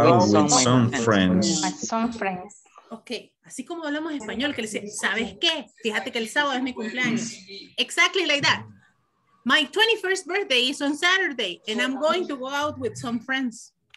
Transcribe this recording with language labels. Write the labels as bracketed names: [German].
[English] And I'm going to go out with some friends. [Spanish] Okay, así como hablamos español, que le dice, ¿sabes qué? Fíjate que el sábado es mi cumpleaños. [English] Exactly like that. My 21st birthday is on Saturday, and I'm going to go out with some friends.